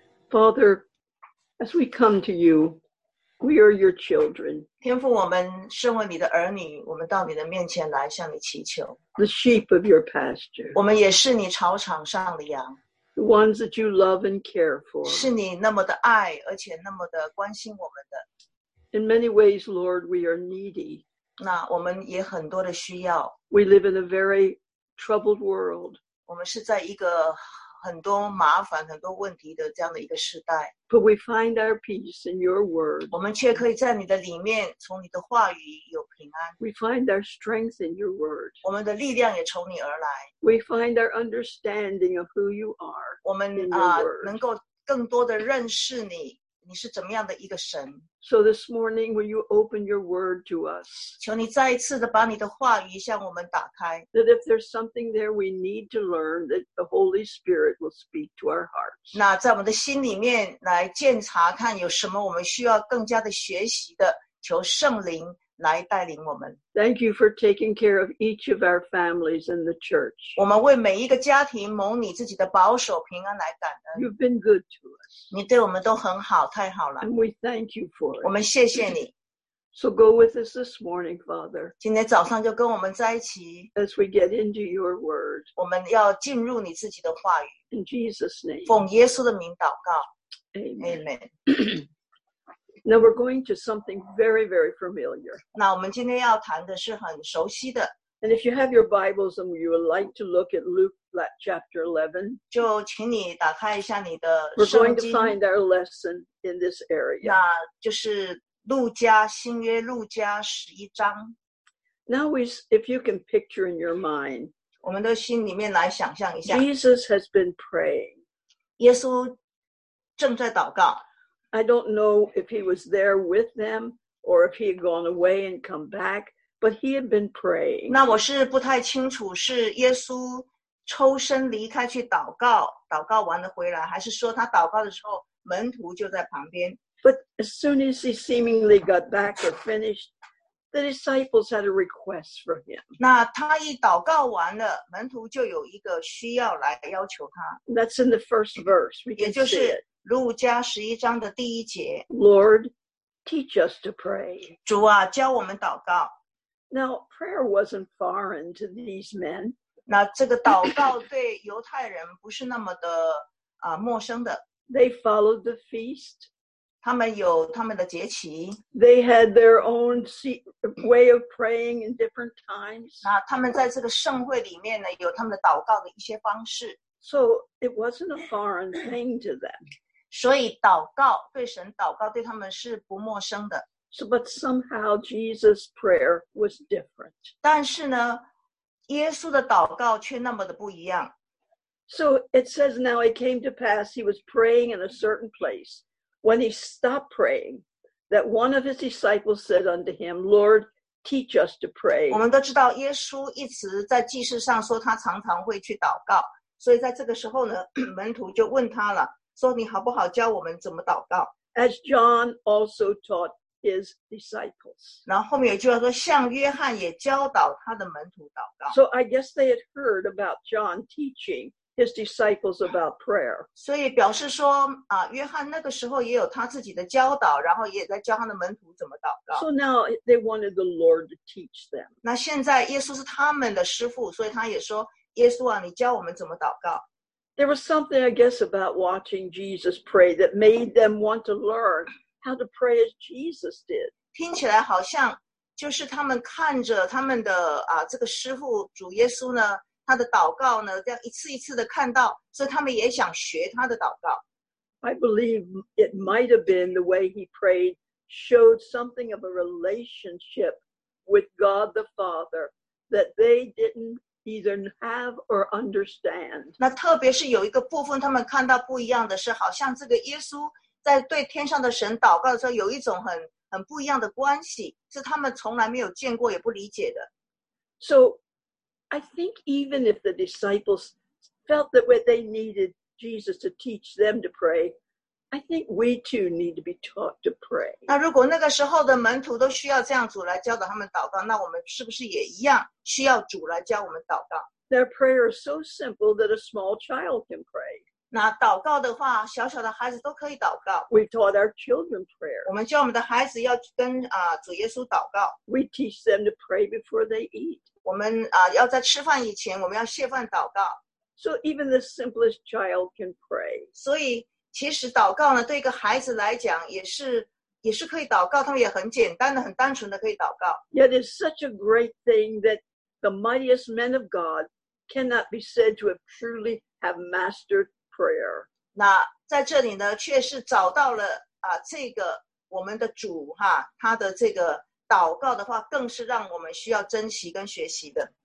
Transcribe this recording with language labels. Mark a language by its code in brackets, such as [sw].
[en] Father, as we come to you, we are your children. [zh] 天父，我们身为你的儿女，我们到你的面前来向你祈求。 [en] The sheep of your pasture. [zh] 我们也是你草场上的羊。 [en] The ones that you love and care for. [zh] 是你那么的爱，而且那么的关心我们的。 [en] In many ways, Lord, we are needy. [zh] 那我们也很多的需要。 [en] We live in a very troubled world. [zh] 我们是在一个很多麻烦、很多问题的这样的一个时代。 [en] But we find our peace in your word. [zh] 我们却可以在你的里面，从你的话语有平安。 [en] We find our strength in your word. [zh] 我们的力量也从你而来。 [en] We find our understanding of who you are. [zh] 我们能够更多的认识你。你是怎么样的一个神？ [en] So this morning, will you open your word to us? [zh] 求你再一次的把你的话语向我们打开。 [en] That if there's something there we need to learn, that the Holy Spirit will speak to our hearts. [zh] 那在我们的心里面来检查，看有什么我们需要更加的学习的，求圣灵来带领我们。 [en] Thank you for taking care of each of our families in the church. [zh] 我们为每一个家庭蒙你自己的保守平安来感恩。 [en] You've been good to us. [zh] 你对我们都很好，太好了。 [en] And we thank you for it. [zh] 我们谢谢你。 [en] So go with us this morning, Father. [zh] 今天早上就跟我们在一起。 [en] As we get into your word. [zh] 我们要进入你自己的话语。 [en] In Jesus' name. [zh] 奉耶稣的名祷告。 [en] Amen. Amen. Now we're going to something very, very familiar. [zh] 那我们今天要谈的是很熟悉的。 [en] And if you have your Bibles and you would like to look at Luke chapter 11, [zh] 就请你打开一下你的圣经。 [en] We're going to find our lesson in this area. [zh] 那就是路加，新约路加十一章。 [en] Now if you can picture in your mind, [zh] 我们的心里面来想象一下。 [en] Jesus has been praying. [zh] 耶稣正在祷告。 [en] I don't know if he was there with them or if he had gone away and come back, but he had been praying. [zh] 那我是不太清楚是耶稣抽身离开去祷告，祷告完了回来，还是说他祷告的时候门徒就在旁边。 [en] But as soon as he seemingly got back or finished, the disciples had a request for him. [zh] 那他一祷告完了，门徒就有一个需要来要求他。 [en] That's in the first verse. We can see it. [zh] 路加十一章的第一节 [en] Lord, teach us to pray. [zh] 主啊，教我们祷告。 [en] Now, prayer wasn't foreign to these men. [zh] 那这个祷告对犹太人不是那么的陌生的。 [en] They followed the feast. [zh] 他们有他们的节期。 [en] They had their own way of praying in different times. [zh] 那他们在这个圣会里面呢，有他们的祷告的一些方式。 [en] So it wasn't a foreign thing to them. [zh] 所以祷告对神祷告对他们是不陌生的。 [en] So, but somehow Jesus' prayer was different. [zh] 但是呢，耶稣的祷告却那么的不一样。 [en] So it says, now it came to pass he was praying in a certain place. When he stopped praying, that one of his disciples said unto him, Lord. Teach us to pray. [zh] 我们都知道耶稣一直在祭司上说他常常会去祷告，所以在这个时候呢，门徒就问他了，说你好不好教我们怎么祷告？ [en] As John also taught his disciples. [zh] 然后后面有句话说，像约翰也教导他的门徒祷告。 [en] So I guess they had heard about John teaching his disciples about prayer. [zh] 所以表示说啊，约翰那个时候也有他自己的教导，然后也在教他的门徒怎么祷告。 [en] So now they wanted the Lord to teach them. [zh] 那现在耶稣是他们的师父，所以他也说，耶稣啊，你教我们怎么祷告。 [en] There was something, I guess, about watching Jesus pray that made them want to learn how to pray as Jesus did. [zh] 听起来好像就是他们看着他们的啊这个师父主耶稣呢，他的祷告呢，这样一次一次的看到，所以他们也想学他的祷告。 [en] I believe it might have been the way he prayed. Showed something of a relationship with God the Father that they didn't either have or understand. [zh] 那特别是有一个部分，他们看到不一样的是，好像这个耶稣在对天上的神祷告的时候，有一种很不一样的关系，是他们从来没有见过也不理解的。 [en] So, I think even if the disciples felt that what they needed Jesus to teach them to pray. I think we too need to be taught to pray. [zh] 那如果那个时候的门徒都需要这样主来教导他们祷告，那我们是不是也一样需要主来教我们祷告？ [en] That prayer is so simple that a small child can pray. [zh] 那祷告的话，小小的孩子都可以祷告。 [en] We taught our children prayer. [zh] 我们教我们的孩子要跟主耶稣祷告。 [en] We teach them to pray before they eat. [zh] 我们要在吃饭以前，我们要谢饭祷告。 [en] So even the simplest child can pray. [zh] 所以其实祷告呢，对一个孩子来讲也是可以祷告，他们也很简单的、很单纯的可以祷告。 [en] Yet it's such a great thing that the mightiest men of God cannot be said to have truly have mastered prayer. [zh] 那在这里呢，却是找到了这个我们的主哈，他的这个祷告的话，更是让我们需要珍惜跟学习的。